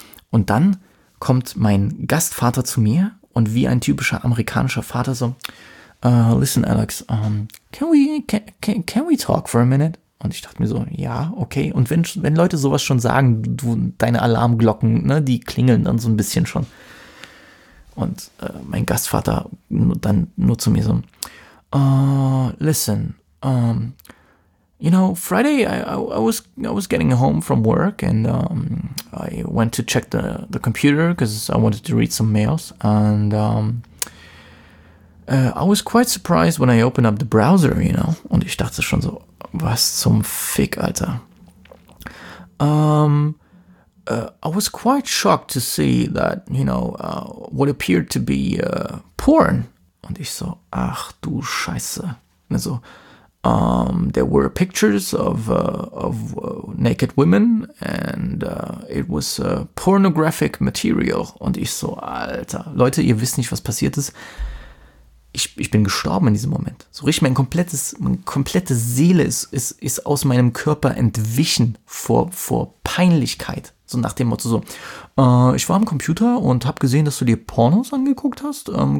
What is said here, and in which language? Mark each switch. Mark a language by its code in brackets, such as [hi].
[de] Und dann kommt mein Gastvater zu mir und wie ein typischer amerikanischer Vater so, [en] listen, Alex, can we talk for a minute? [de] Und ich dachte mir so, ja, okay. Und wenn Leute sowas schon sagen, deine Alarmglocken, ne, die klingeln dann so ein bisschen schon. Und mein Gastvater dann nur zu mir so, [en] listen, you know, Friday I was getting home from work and I went to check the computer because I wanted to read some mails and I was quite surprised when I opened up the browser, you know. [de] Und ich dachte schon so, was zum Fick, Alter. [en] I was quite shocked to see that, you know, what appeared to be porn. [de] Und ich so, ach du Scheiße. [en] Also, there were pictures of naked women and it was pornographic material. [de] Und ich so, Alter. Leute, ihr wisst nicht, was passiert ist. Ich bin gestorben in diesem Moment. So richtig, meine komplette Seele ist aus meinem Körper entwichen vor Peinlichkeit. So nach dem Motto so, ich war am Computer und habe gesehen, dass du dir Pornos angeguckt hast.